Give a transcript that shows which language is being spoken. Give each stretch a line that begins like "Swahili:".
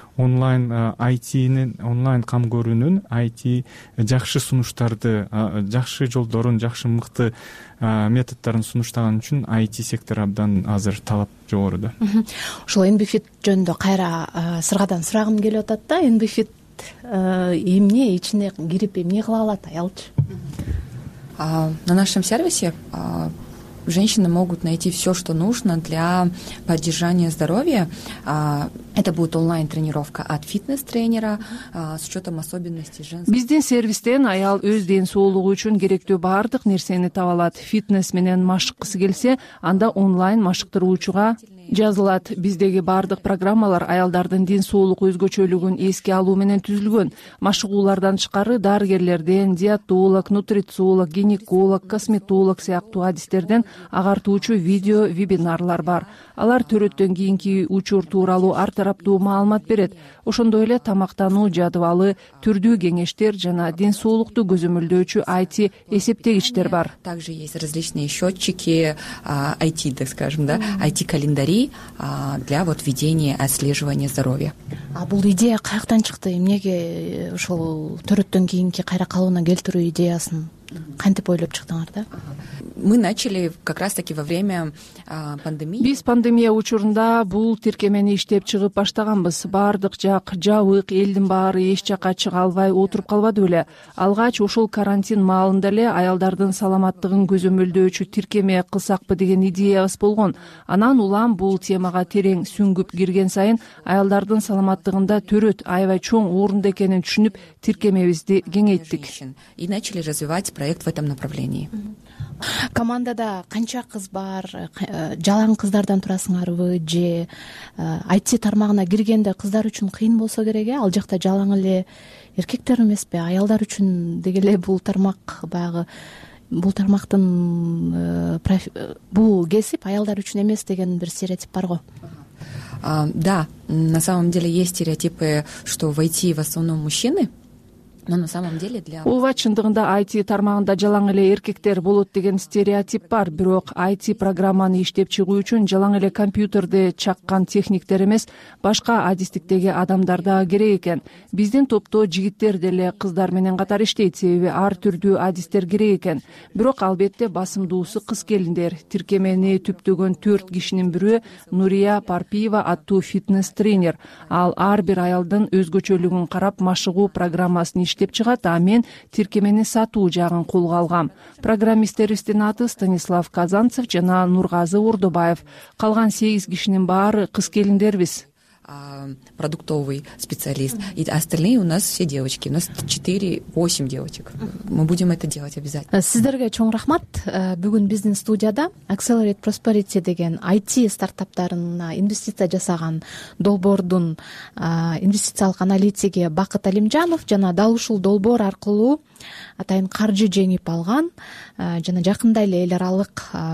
Kyrgyz: Онлайн IT'нин онлайн кам көрүүнүн IT жакшы сунуштарды, жакшы жолдорун, жакшы мыкты методдорун сунуштаган үчүн IT сектор абдан азыр талап жогоруда. Ушул MBFIT жөнүндө кайра сыргадан сурагым келип атат да. MBFIT эмне ичине кирип эмне кыла алат аялчы?
Russian: На нашем сервисе женщины могут найти все, что нужно для поддержания здоровья. Это будет онлайн-тренировка от фитнес-тренера с учетом особенностей женских.
Kyrgyz: Биздин сервистен аял өз ден соолугу үчүн керектүү баардык нерсени таба алат. Фитнес менен машыккысы келсе, анда онлайн машыктыруучуга жазылат. Биздеги баардык программалар аялдардын ден соолук өзгөчөлүгүн эске алуу менен түзүлгөн. Машыгуулардан тышкары дарыгерлерден, диетолог, нутрициолог, гинеколог, косметолог сыяктуу адистерден агартуучу видео вебинарлар бар. Алар төрөттөн кийинки учур тууралуу ар тараптуу маалымат берет. Ошондой эле тамактануу жадыбалы, түрдүү кеңештер жана ден соолукту көзөмөлдөөчү IT эсептегичтер бар.
Russian: Также есть различные счетчики IT, так скажем, да, IT календари для вот ведения отслеживания здоровья.
Kyrgyz: А бул идея каяктан чыкты? Эмнеге ошол төрөттөн кийинки кайра калыбына келтирүү идеясын кантип ойлоп чыктыңар да?
Russian: Мы начали как раз-таки во время пандемии.
Kyrgyz: Биз пандемия учурунда бул тиркемени иштеп чыгып баштаганбыз. Баардык жак жабык, элдин баары эч жака чыга албай отуруп калбады беле. Алгач ошол карантин маалында эле аялдардын саламаттыгын көзөмөлдөөчү тиркеме кылсакпы деген идеябыз болгон. Анан улам бул темага терең сүңгүп кирген сайын аялдардын саламаттыгында төрөт аябай чоң орунда экенин түшүнүп, тиркемебизди кеңейттик.
Russian: И начали развивать проект в этом направлении.
Kyrgyz: Командада канча кыз бар? Жалаң кыздардан турасыңарбы же IT тармагына киргенде кыздар үчүн кыйын болсо керек, ал жакта жалаң эле эркектер эмеспи? Аялдар үчүн деги эле бул тармак баягы бул тармактын бул кесип аялдар үчүн эмес деген бир стереотип бар го.
Russian: Да, на самом деле есть стереотипы, что в IT в основном мужчины. Но на самом деле для...
Kyrgyz: Ува чындыгында IT тармагында жалаң эле эркектер болот деген стереотип бар, бирок IT программаны иштеп чыгуу үчүн жалаң эле компьютерде чаккан техниктер эмес, башка адистиктеги адамдар да керек экен. Биздин топто жигиттер деле кыздар менен катар иштейт, себеби ар түрдүү адистер керек экен. Бирок албетте басымдуусу кыз келиндер. Тиркемени түптөгөн 4 кишинин бирөө Нурия Парпиева аттуу фитнес-тренер. Ал ар бир аялдын өзгөчөлүгүн карап машыгуу программасы иштеп чыгат, а мен тиркемени сатуу жагын колго алгам. Программистерибиздин аты Станислав Казанцев жана Нургазы Ордобаев. Калган 8 кишинин баары кыз келиндербиз.
Russian: Продуктовый специалист. И остальные у нас все девочки. У нас 4-8 девочек. Мы будем это делать обязательно.
Kyrgyz: Сиздерге чоң рахмат. Бүгүн биздин студияда Accelerate Prosperity деген IT стартаптарына инвестиция жасаган долбордун инвестициялык аналитиги Бакыт Алимжанов жана дал ушул долбоор аркылуу атайын каржы жеңип алган жана жакында эле эл аралык